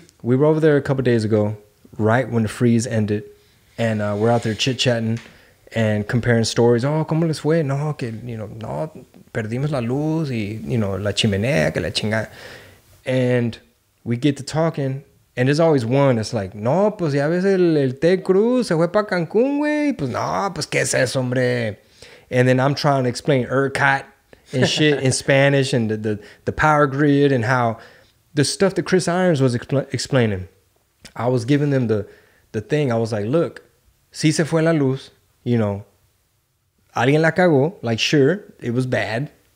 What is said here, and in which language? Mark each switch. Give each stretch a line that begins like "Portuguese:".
English: We were over there a couple days ago, right when the freeze ended. And we're out there chit-chatting and comparing stories. Oh,
Spanish: ¿cómo les fue? No, que,
English: you know,
Spanish: no, perdimos la luz y, you know, la chimenea, que la chingada.
English: And we get to talking, and there's always one that's like,
Spanish: no, pues ya ves el T. Cruz se fue para Cancún, güey. Pues no, pues qué es eso, hombre.
English: And then I'm trying to explain ERCOT and shit in Spanish and the power grid and how the stuff that Chris Irons was explaining. I was giving them the thing, I was like, look,
Spanish: si se fue la luz,
English: you know,
Spanish: alguien la cagó,
English: like, sure, it was bad.